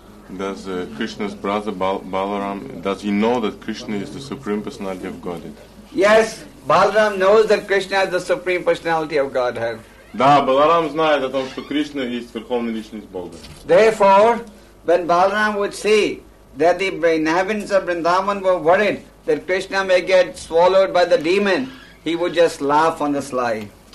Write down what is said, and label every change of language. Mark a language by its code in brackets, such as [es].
[en] Does Krishna's brother Balaram, does he know that Krishna is the Supreme Personality of Godhead? Yes, Balaram knows that Krishna is the Supreme Personality of Godhead. [ru] Да, Баларам знает о том, что Кришна есть Верховная Личность Бога. [en] Therefore, when Balaram would see that the inhabitants of Vrindavan were worried that Krishna may get swallowed by the demon, he would just laugh on the sly.